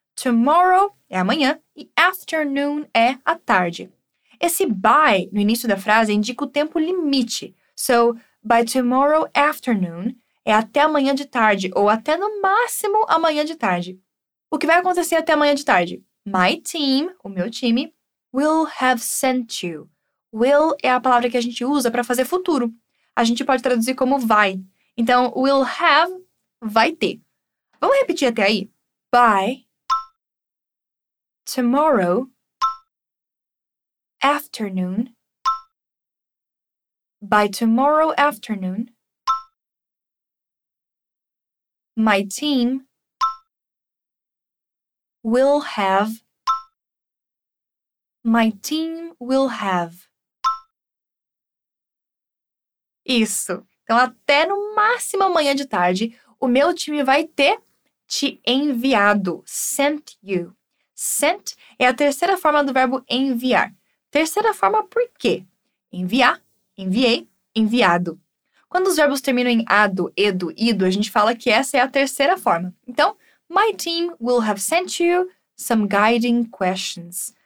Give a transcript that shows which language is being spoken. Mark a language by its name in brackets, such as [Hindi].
[Portuguese] Tomorrow é amanhã e afternoon é a tarde. Esse by no início da frase indica o tempo limite. [English] So, by tomorrow afternoon [Portuguese] é até amanhã de tarde ou até no máximo amanhã de tarde. O que vai acontecer até amanhã de tarde? [English] My team, [Portuguese] o meu time, [English] will have sent you. [Portuguese] Will é a palavra que a gente usa para fazer futuro. A gente pode traduzir como vai. Então, [English] will have, [Portuguese] vai ter. Vamos repetir até aí? [English] By tomorrow afternoon. By tomorrow afternoon, my team will have. My team will have. [Portuguese] Isso. Então, até no máximo amanhã de tarde, o meu time vai ter te enviado. [English] Sent you. [Portuguese] Sent é a terceira forma do verbo enviar. Terceira forma por quê? Enviar, enviei, enviado. Quando os verbos terminam em ado, edo, ido, a gente fala que essa é a terceira forma. Então, [English] my team will have sent you some guiding questions.